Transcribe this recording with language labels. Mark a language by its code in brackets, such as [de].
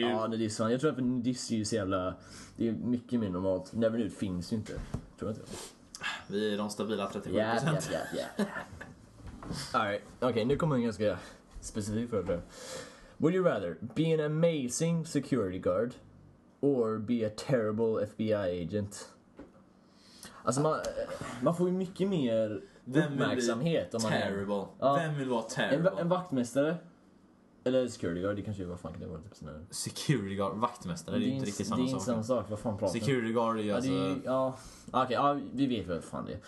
[sv] Nudist, fan. Jag tror att nudist är ju så jävla... Det är mycket mer normalt. Never nude finns ju inte. Tror jag inte. Vi är de stabila 37%. [en] Yeah. All right. [sv] Okej, nu kommer en ganska specifik fråga. [en] Would you rather be an amazing security guard or be a terrible FBI agent? [sv] Alltså, man får ju mycket mer... uppmärksamhet. Vem vill bli terrible? Ja. Vem vill vara terrible? En vaktmästare? Eller security guard? Det kanske är vad fan kan det vara? Typ sådana... Security guard? Vaktmästare? Det är inte riktigt samma sak. Det är inte samma sak. Vad fan pratar du? Security guard är ju alltså... Ja. Okej, okay, ja, vi vet vad fan det är.